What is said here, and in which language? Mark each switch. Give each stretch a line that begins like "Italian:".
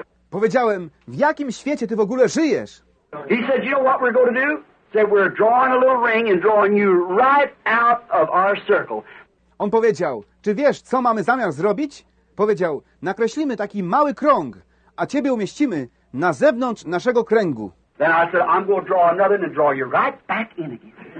Polish: Powiedziałem, w jakim świecie ty w ogóle żyjesz?
English: He said, you know what we're going to do? Said we're drawing a little ring and drawing you right out of our circle.
Polish: On powiedział, czy wiesz, co mamy zamiar zrobić? Powiedział, nakreślimy taki mały krąg, a ciebie umieścimy na zewnątrz naszego kręgu.
English: Then I said, I'm going to draw another and draw you right back in again.